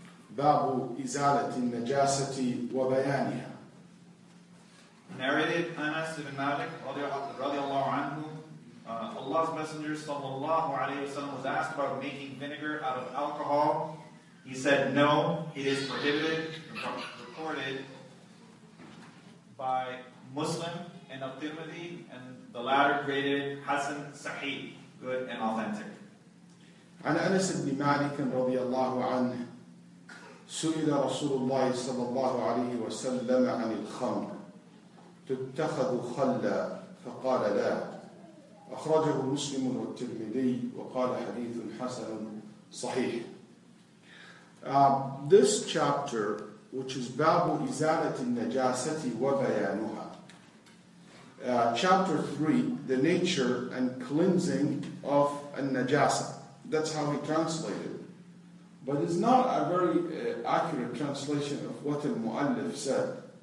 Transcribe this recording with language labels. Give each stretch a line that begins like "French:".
Arabic: باب إزالة النجاسة وبيانها.
English: Narrated Anas ibn Malik رضي الله عنه, Allah's Messenger صلى الله عليه وسلم was asked about making vinegar out of alcohol. He said, "No, it is prohibited." Recorded by Muslim and Al-Tirmidhi, and the latter graded Hasan Sahih, good and authentic.
Arabic: عن أنس بن مالك رضي الله عنه سئل رسول الله صلى الله عليه وسلم عن الخمر تتخذ خلا فقال لا أخرجه مسلم والترمذي وقال حديث حسن صحيح.
English: This chapter, which is
Arabic: باب إزالة النجاسة وبيانها,
English: chapter 3, the nature and cleansing of النجاسة, that's how he translated. But it's not a very accurate translation of what al-Mu'allif said.